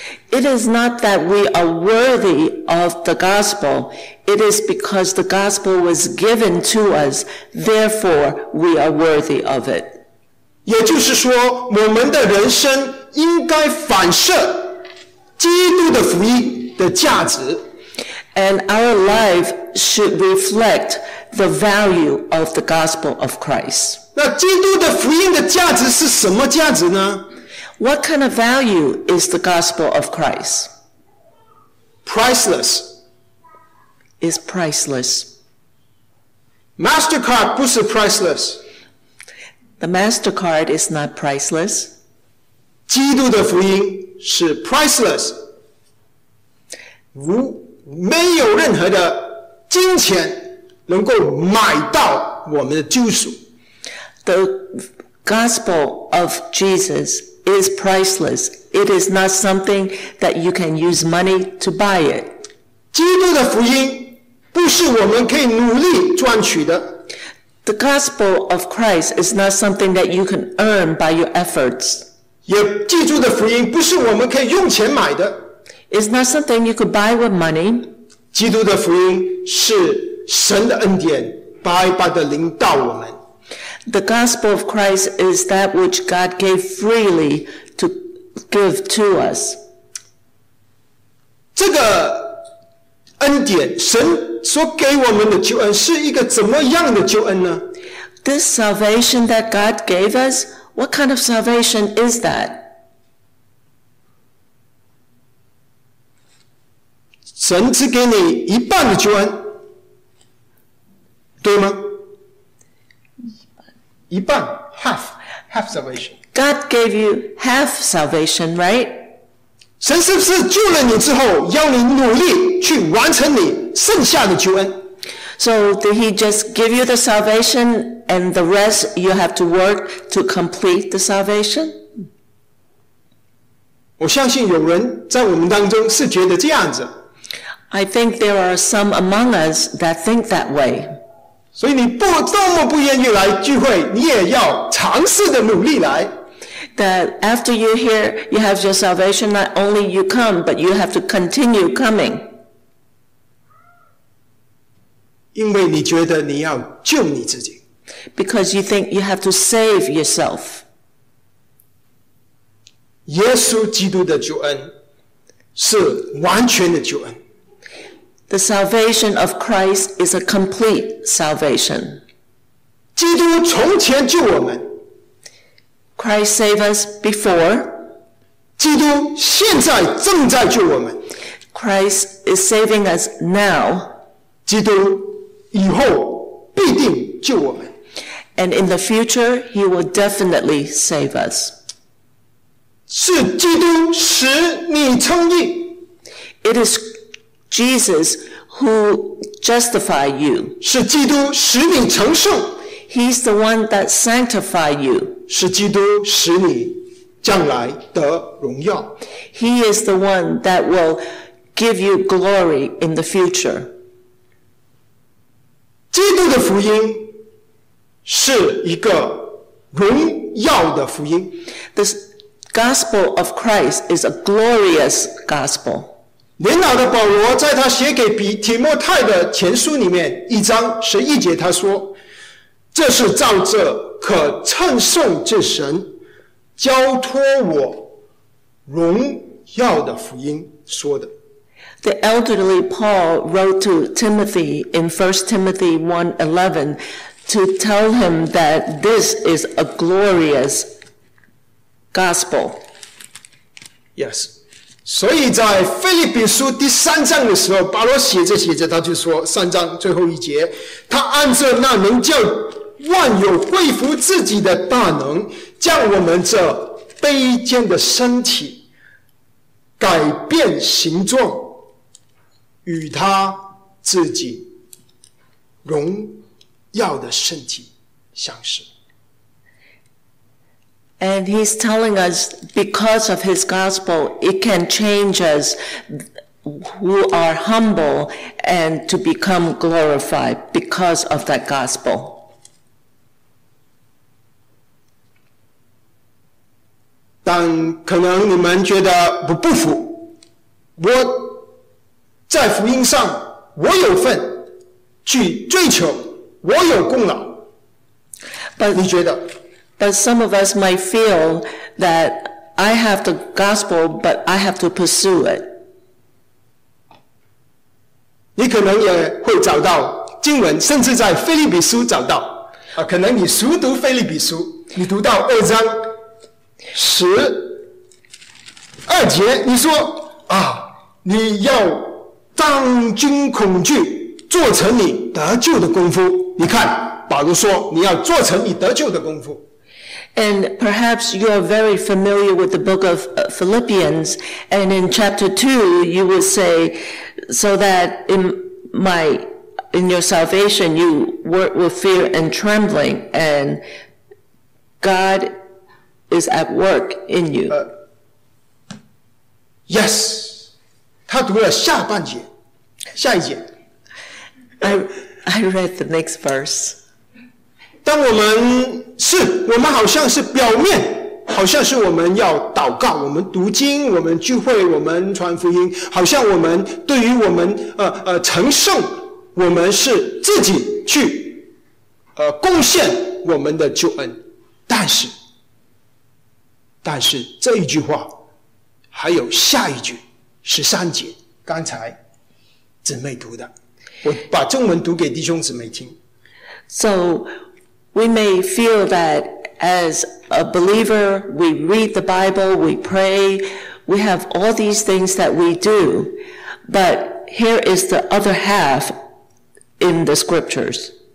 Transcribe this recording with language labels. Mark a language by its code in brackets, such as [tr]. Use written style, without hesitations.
[en] It is not that we are worthy of the gospel. It is because the gospel was given to us. Therefore, we are worthy of it. [zh] 也就是说，我们的人生应该反射基督的福音的价值。 [en] And our life should reflect the value of the gospel of Christ. [zh] 那基督的福音的价值是什么价值呢？ [en] What kind of value is the gospel of Christ? Priceless. Is priceless. MasterCard [zh] 不是 [en] priceless. The MasterCard is not priceless. [zh] 基督的福音是 [en] priceless. [zh] 没有任何的金钱能够买到我们的救赎。 [en] The gospel of Jesus is priceless. It is not something that you can use money to buy it. [zh] 基督的福音不是我们可以努力赚取的。 [en] The gospel of Christ is not something that you can earn by your efforts. [zh] 也基督的福音不是我们可以用钱买的。 [en] It's not something you could buy with money. [zh] 基督的福音是神的恩典白白的临到我们。 [en] The gospel of Christ is that which God gave freely to give to us. [zh] 这个恩典，神所给我们的救恩是一个怎么样的救恩呢？ [en] This salvation that God gave us, what kind of salvation is that? [zh] 神只给你一半的救恩，对吗？一半 [en] half salvation. God gave you half salvation, right? [zh] 神是不是救了你之后要你努力去完成你剩下的救恩？ [en] So did he just give you the salvation And the rest you have to work to complete the salvation? [zh] 我相信有人在我们当中是觉得这样子。 [en] I think there are some among us that think that way. [zh] 所以你不多么不愿意来聚会，你也要尝试的努力来。 [en] That after you hear you have your salvation, not only you come, but you have to continue coming. [zh] 因为你觉得你要救你自己。 [en] Because you think you have to save yourself. [zh] 耶稣基督的救恩是完全的救恩。 [en] The salvation of Christ is a complete salvation. [zh] 基督从前救我们。 [en] Christ saved us before. [zh] 基督现在正在救我们。 [en] Christ is saving us now. [zh] 基督以后必定救我们。 [en] And in the future, he will definitely save us. [zh] 是基督使你称义。 [en] It is Jesus who justified you. [zh] 是基督使你成圣。 [en] He's the one that sanctified you. [zh] 是基督使你将来得荣耀。 [en] He is the one that will give you glory in the future. [zh] 基督的福音是一个荣耀的福音。 [en] The gospel of Christ is a glorious gospel. [zh] 年老的保罗在他写给比提摩太的前书里面一章十一节他说，这是照着可称颂之神交托我荣耀的福音说的。 [en] The elderly Paul wrote to Timothy in 1 Timothy 1:11 to tell him that this is a glorious gospel. Yes. [zh] 所以在腓立比书第三章的时候，保罗写着写着他就说，三章最后一节，他按着那能叫万有归服自己的大能，将我们这卑贱的身体改变形状，与他自己荣耀的身体相似。 [en] And he's telling us, because of his gospel, it can change us who are humble and to become glorified because of that gospel. [zh] 但可能你们觉得不服，我在福音上我有份去追求，我有功劳。 [en] But, [zh] 你觉得 [en] But some of us might feel that I have the gospel, but I have to pursue it. [zh] 你可能也会找到经文，甚至在腓立比书找到、啊、可能你熟读腓立比书，你读到二章十二节，你说啊，你要当惊恐惧，做成你得救的功夫。你看，保罗说，你要做成你得救的功夫。 [en] And perhaps you are very familiar with the book of Philippians, and in chapter 2, you would say, so that in your salvation, you work with fear and trembling, and God is at work in you. Yes. [zh] 他读了下半节，下一节。 [en] I read the next verse. [zh] 当我们是，我们好像是表面，好像是我们要祷告，我们读经，我们聚会，我们传福音，好像我们对于我们成圣，我们是自己去贡献我们的救恩，但是这一句话还有下一句十三节，刚才姊妹读的，我把中文读给弟兄姊妹听。 [en] So we may feel that as a believer we read the Bible, we pray, we have all these things that we do, but here is the other half in the scriptures.